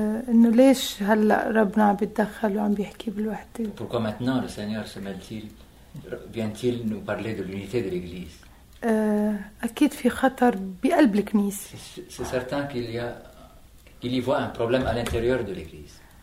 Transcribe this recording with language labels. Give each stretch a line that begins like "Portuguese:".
Arabic: إنه ليش هلا ربنا عم بيتدخل وعم بيحكي بالوحدة
French: pourquoi maintenant le Seigneur se mêle-t-il vient-il nous parler de l'unité de l'Église
Arabic: أكيد في خطر بقلب الكنيسة
French: c'est certain qu'il y a Il y voit un problème à l'intérieur de l'Église.